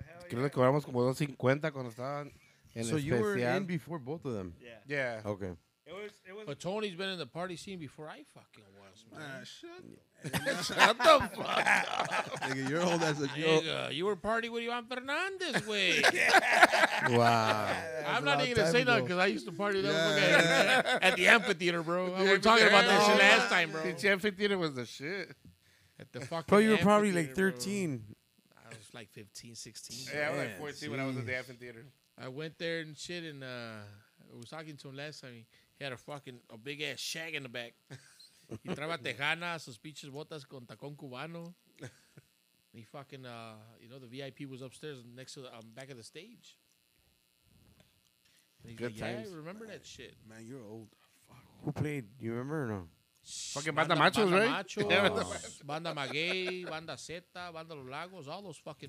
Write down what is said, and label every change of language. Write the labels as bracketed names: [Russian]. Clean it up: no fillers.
[Spanish] Creo que cobramos como 2.50 cuando estaban en especial. [English] So you were in before both of them. Yeah. Yeah. Okay. It was. But Tony's been in the party scene before I fucking was, man. Shut the fuck up. Nigga, you're old as a joke. You were partying with Juan Fernandez, way. Wow. I'm not even going to say nothing because I used to party with that guy at the amphitheater, bro. We were talking about this shit last time, bro. The amphitheater was the shit. At the fucking bro, you were probably like 13. I was like 15, 16. Yeah, man. I was like 14 when I was at the amphitheater. I went there and shit, and I was talking to him last time. He had a big ass shag in the back. [Spanish] He traba tejana, sus pinches botas con tacón cubano. [English] He fucking, the VIP was upstairs next to the back of the stage. Good times. Yeah, I remember that shit. Man, you're old. Fuck. Who played? Do you remember or no? Fucking Banda Machos, Banda right? Banda Maguey, Banda Zeta, Banda Los Lagos, all those fucking